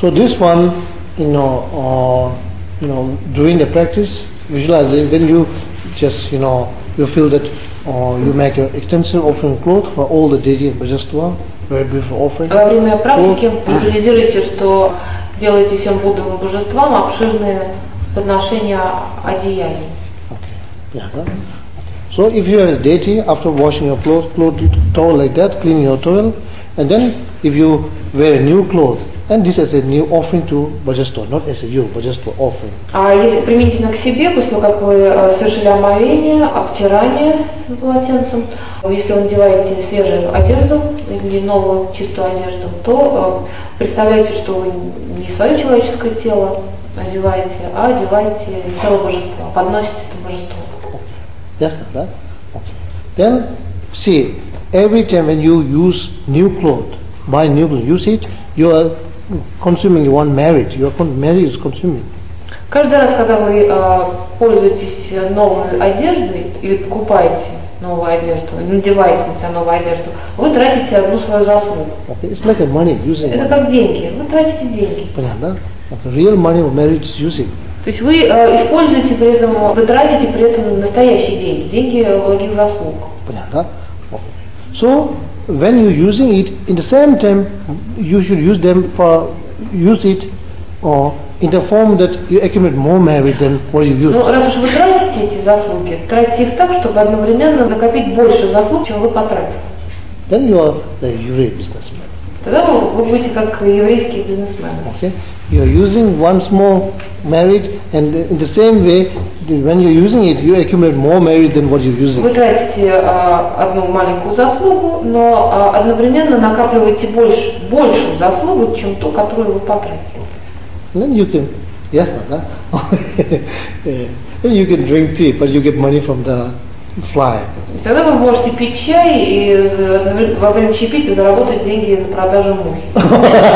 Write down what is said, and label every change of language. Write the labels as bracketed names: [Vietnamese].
[English] So this one, you know, during the practice. Visualizing, then you just, you know, you feel that you make an extensive offering cloth for all the deity and bhajastva, very beautiful offering. [Russian] Во время практики визуализируйте, что делаете всем Буддам и божествам обширные подношения одеяний. [English] Okay. Yeah. So if you are a deity, after washing your towel like that, clean your towel, and then if you wear a new cloth, and this is a new offering to Bhajastva, not as a you, Bhajastva offering. [Russian] Применительно к себе, после того, как вы совершили омовение, обтирание полотенцем, если вы надеваете свежую одежду или новую чистую одежду, то представляете, что вы не свое человеческое тело одеваете, а одеваете тело Божества, подносите это Божество. Ясно, да? Okay. [English] Then, see, every time when you use new clothes, buy new clothes, use it, you are consuming one merit. Merit is consuming. [Russian] Каждый раз, когда вы пользуетесь новой одеждой или покупаете новую одежду, надеваете на себя новую одежду, вы тратите одну свою заслугу. [English] Okay. It's like a money using. [Russian] Это как деньги. Вы тратите деньги. Понятно? [English] Like real money or merit is using. [Russian] То есть вы используете при этом, вы тратите при этом настоящие деньги, деньги благих заслуг. Понятно? Okay. [English] So when you're using it, in the same time, you should use it in the form that you accumulate more merit than what you use. [Russian] Ну, раз уж вы тратите эти заслуги, тратите их так, чтобы одновременно накопить больше заслуг, чем вы потратили. [English] Then you are the real businessman. [Russian] Тогда вы будете как еврейские бизнесмены. [English] Okay. You're using one small merit, and in the same way, when you're using it, you accumulate more merit than what you're using. [Russian] Вы тратите одну маленькую заслугу, но одновременно накапливаете большую заслугу, чем ту, которую вы потратили. [English] Then you can, yes, not, huh? Then you can drink tea, but you get money from the fly. [Russian] Тогда вы можете пить чай и во время чаепития заработать деньги на продаже мухи.